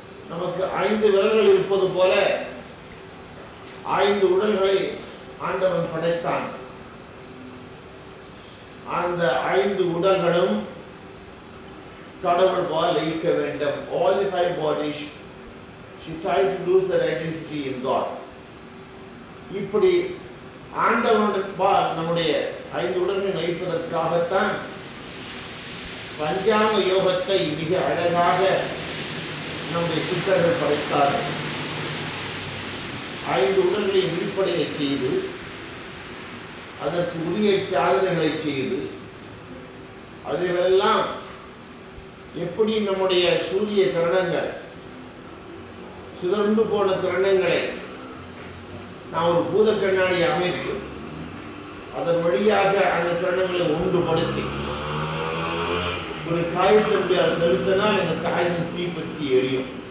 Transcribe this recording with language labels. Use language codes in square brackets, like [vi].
[ta] நமக்கு ஐந்து விரல்கள் இருப்பது போல ஐந்து உடல்களை ஆண்டவன் படைத்தான். அந்த ஐந்து உடல்களும் கடவுள் போல் லயிக்க வேண்டும். [en] All the five bodies should try to lose their identity in God. [ta] இப்படி ஆண்டவன் போல் நம்முடைய ஐந்து உடல்களை லயிப்பதற்காகத்தான் பஞ்சாங்க யோகத்தை மிக அழகாக நம்முடைய சித்தர்கள் படைத்தார்கள். ஐந்து உடல்களை விழிப்படைய செய்து அதற்கு உரிய சாதனைகளை செய்து அதுவெல்லாம் எப்படி நம்முடைய சூரிய கிரணங்கள் சுதர்ந்து போன கிரணங்களை நான் ஒரு பூத கண்ணாடி அமைத்து அதன் வழியாக அந்த கிரணங்களை ஒன்றுபடுத்தி ஒரு காயத்தை செலுத்தினால் இந்த காயம் தீப்பற்றி எரியும்.